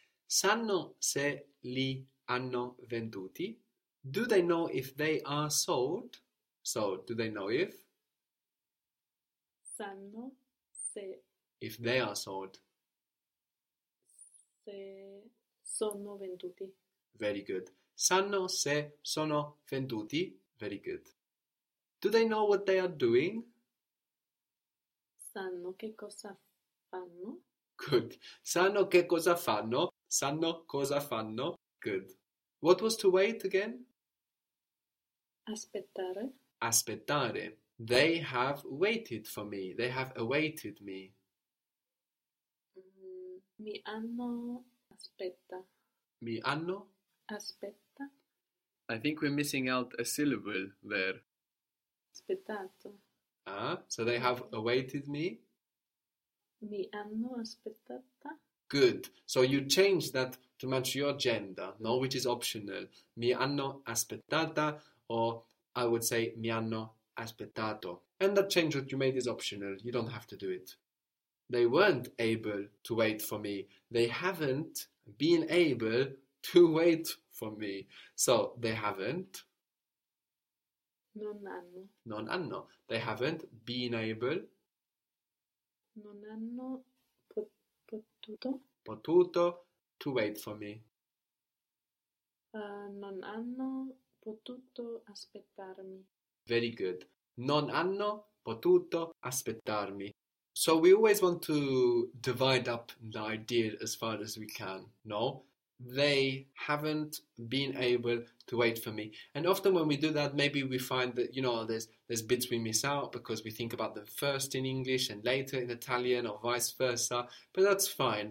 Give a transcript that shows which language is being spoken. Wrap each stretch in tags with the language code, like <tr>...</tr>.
<it>Sanno se li hanno venduti?</it> <en>Do they know if they are sold? So, do they know if?</en> <it>Sanno se.</it> <en>If they are sold.</en> <it>Se sono venduti.</it> <en>Very good.</en> <it>Sanno se sono venduti? Very good.</it> <en>Do they know what they are doing?</en> <it>Sanno che cosa fanno.</it> <en>Good.</en> <it>Sanno che cosa fanno. Sanno cosa fanno. Good.</it> <en>What was to wait again?</en> <it>Aspettare. Aspettare.</it> <en>They have waited for me. They have awaited me.</en> <it>Mi hanno aspetta. Mi hanno aspetta.</it> <en>I think we're missing out a syllable there.</en> <it>Aspettato.</it> <en>So they have awaited me.</en> <it>Mi hanno aspettata.</it> <en>Good. So you change that to match your gender, no? Which is optional.</en> <it>Mi hanno aspettata,</it> <en>or I would say</en> <it>mi hanno aspettato.</it> <en>And that change that you made is optional. You don't have to do it. They weren't able to wait for me. They haven't been able to wait for me. So they haven't.</en> <it>Non hanno. Non hanno.</it> <en>They haven't been able.</en> <it>Non hanno potuto.</it> <en>Potuto to wait for me.</en> <it>Non hanno potuto aspettarmi.</it> <en>Very good.</en> <it>Non hanno potuto aspettarmi.</it> <en>So we always want to divide up the idea as far as we can, no? They haven't been able to wait for me. And often when we do that, maybe we find that, you know, there's bits we miss out because we think about them first in English and later in Italian or vice versa. But that's fine.</en>